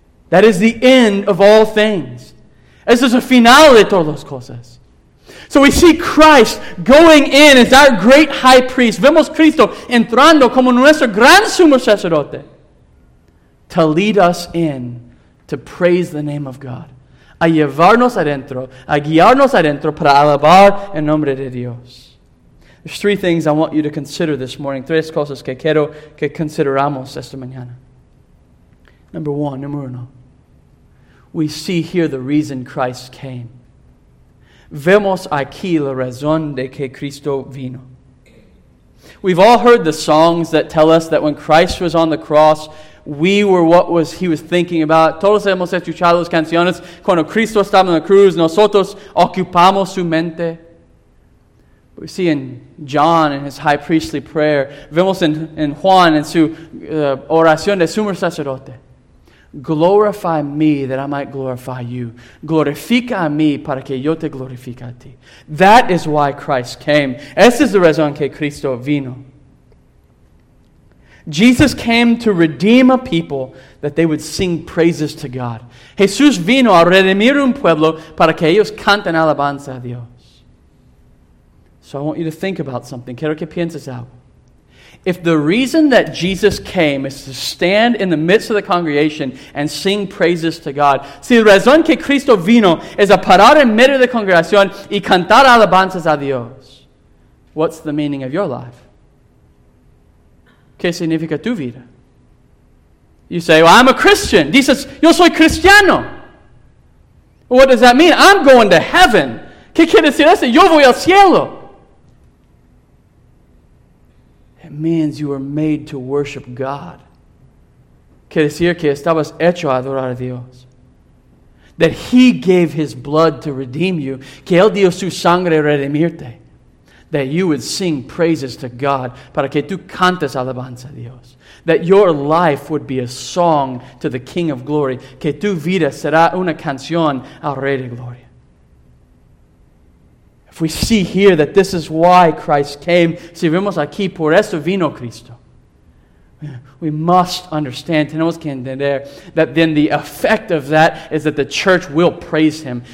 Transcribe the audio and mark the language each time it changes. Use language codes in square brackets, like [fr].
[en] That is the end of all things. [es] Eso es el final de todas las cosas. [en] So we see Christ going in as our great high priest. [es] Vemos Cristo entrando como nuestro gran sumo sacerdote [en] to lead us in to praise the name of God. [es] A llevarnos adentro, a guiarnos adentro para alabar el nombre de Dios. [en] There's three things I want you to consider this morning. [es] Tres cosas que quiero que consideramos esta mañana. [en] Number one. We see here the reason Christ came. [es] Vemos aquí la razón de que Cristo vino. [en] We've all heard the songs that tell us that when Christ was on the cross, we were what was he was thinking about. [es] Todos hemos escuchado las canciones. Cuando Cristo estaba en la cruz, nosotros ocupamos su mente. [en] We see in John and his high priestly prayer. [es] Vemos en Juan en su oración de sumo sacerdote. [en] Glorify me that I might glorify you. [es] Glorifica a mí para que yo te glorifique a ti. [en] That is why Christ came. [es] Esa es la razón que Cristo vino. [en] Jesus came to redeem a people that they would sing praises to God. [es] Jesús vino a redimir un pueblo para que ellos canten alabanza a Dios. [en] So I want you to think about something. [es] Quiero que pienses algo. [en] If the reason that Jesus came is to stand in the midst of the congregation and sing praises to God, [es] si la razón que Cristo vino es a parar en medio de la congregación y cantar alabanzas a Dios, [en] what's the meaning of your life? [es] ¿Qué significa tu vida? [en] You say, well, I'm a Christian. [es] Dices, yo soy cristiano. [en] What does that mean? I'm going to heaven. [es] ¿Qué quiere decir eso? Yo voy al cielo. [en] It means you were made to worship God. [es] Quiere decir que estabas hecho a adorar a Dios. [en] That He gave His blood to redeem you. [es] Que Él dio su sangre a redimirte. [en] That you would sing praises to God [es] para que tú cantes alabanza a Dios. [en] That your life would be a song to the King of Glory. [es] Que tu vida será una canción al Rey de Gloria. [en] If we see here that this is why Christ came, [es] si vemos aquí, por eso vino Cristo, [en] we must understand, [es] tenemos que entender, [en] that then the effect of that is that the church will praise Him.